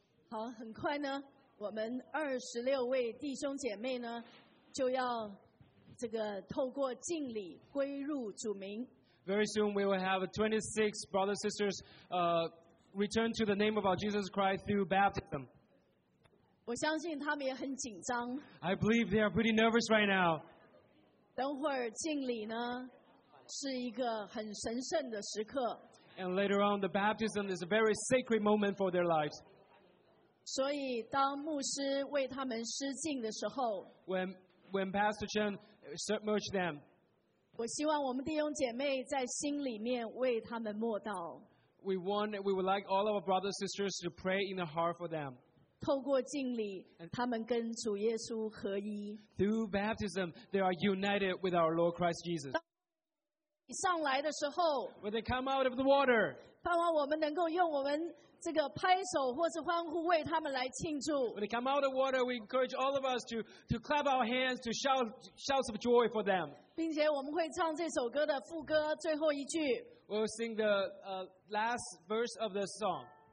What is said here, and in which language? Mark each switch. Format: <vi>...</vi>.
<zh>好，很快呢，我们26位弟兄姐妹呢，就要这个透过敬礼归入主名。</zh> <en>Very soon we will have 26 brothers and sisters, return to the name of our Jesus Christ through baptism.</en> <zh>我相信他们也很紧张。</zh> <en>I believe they are pretty nervous right now.</en> <zh>等会儿敬礼呢，是一个很神圣的时刻。</zh> <en>And later on, the baptism is a very sacred moment for their lives.</en> <zh>所以当牧师为他们施浸的时候</zh> <en>when Pastor Chen submerged them,</en> <zh>我希望我们弟兄姐妹在心里面为他们默祷</zh> <en>we would like all of our brothers and sisters to pray in the heart for them</en> <zh>透过敬礼他们跟主耶稣合一</zh> <en>through baptism they are united with our Lord Christ Jesus</en> <zh>上来的时候</zh> <en>when they come out of the water</en> <zh>盼望我们能够用我们这个拍手或是欢呼为他们来庆祝</zh> <en>When they come out of the water, we encourage all of us to clap our hands, to shout of joy for them.</en> <zh>并且我们会唱这首歌的副歌最后一句</zh> <en>We'll sing the last verse of the song.</en>